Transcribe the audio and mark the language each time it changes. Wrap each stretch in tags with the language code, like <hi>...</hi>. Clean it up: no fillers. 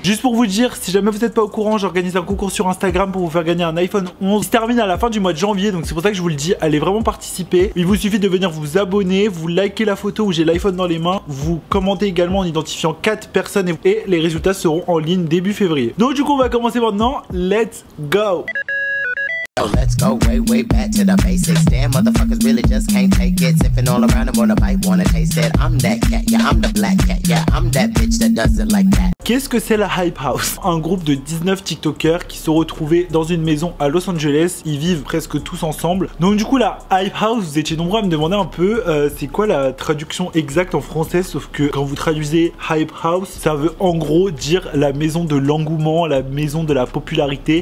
<fr>Juste pour vous dire, si jamais vous n'êtes pas au courant, j'organise un concours sur Instagram pour vous faire gagner un iPhone 11. Il se termine à la fin du mois de janvier, donc c'est pour ça que je vous le dis, allez vraiment participer. Il vous suffit de venir vous abonner, vous liker la photo où j'ai l'iPhone dans les mains, vous commenter également en identifiant 4 personnes et les résultats seront en ligne début février. Donc du coup on va commencer maintenant,</fr> <en>let's go. Let's go way back to the basics. Damn, motherfuckers really just can't take it. Sipping all around them on a pipe, wanna taste it. I'm that cat, yeah, I'm the black cat. Yeah, I'm that bitch that does it like that.</en> <fr>Qu'est-ce que c'est la Hype House? Un groupe de 19 TikTokers qui se retrouvaient dans une maison à Los Angeles. Ils vivent presque tous ensemble. Donc du coup la Hype House, vous étiez nombreux à me demander un peu c'est quoi la traduction exacte en français. Sauf que quand vous traduisez Hype House, ça veut en gros dire la maison de l'engouement, la maison de la popularité.</fr>